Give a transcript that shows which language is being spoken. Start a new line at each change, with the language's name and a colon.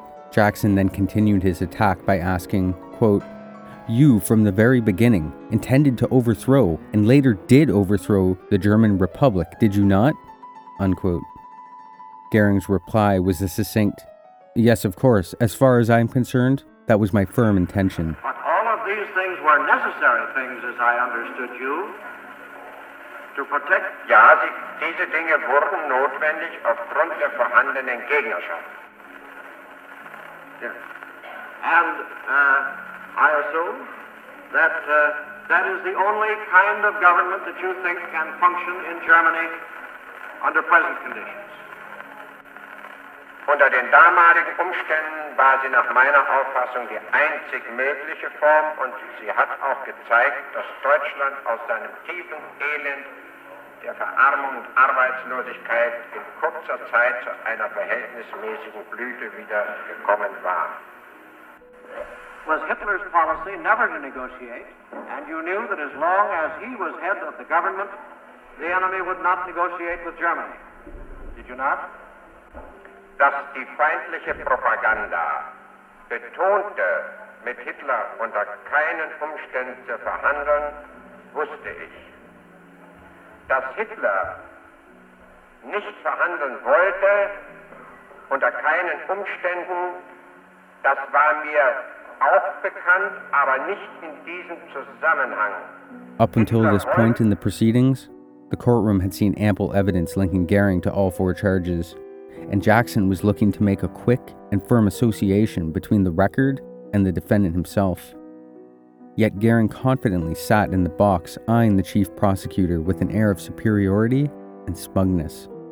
English: Jackson then continued his attack by asking, quote, "You, from the very beginning, intended to overthrow and later did overthrow the German Republic, did you not?" Unquote. Goering's reply was a succinct, "Yes, of course, as far as I'm concerned, that was my firm intention." "But all of these things were necessary things, as I understood you, to protect..."
German: "Ja, diese Dinge wurden notwendig aufgrund der vorhandenen Gegnerschaft."
English: "Yes. And I assume that that is the only kind of government that you think can function in Germany under present conditions."
German: "Unter den damaligen Umständen war sie nach meiner Auffassung die einzig mögliche Form, und sie hat auch gezeigt, dass Deutschland aus seinem tiefen Elend der Verarmung und Arbeitslosigkeit in kurzer Zeit zu einer verhältnismäßigen Blüte wieder gekommen war.
English: Was Hitler's policy never to negotiate, and you knew that as long as he was head of the government, the enemy would not negotiate with Germany. Did you not?
German: Dass die feindliche Propaganda betonte, mit Hitler unter keinen Umständen zu verhandeln, wusste ich. Dass Hitler nicht verhandeln wollte, unter keinen Umständen, das war mir auch bekannt, aber nicht in diesem Zusammenhang.
English: Up until this point in the proceedings, the courtroom had seen ample evidence linking Göring to all four charges, and Jackson was looking to make a quick and firm association between the record and the defendant himself. Yet Göring confidently sat in the box, eyeing the chief prosecutor with an air of superiority and smugness.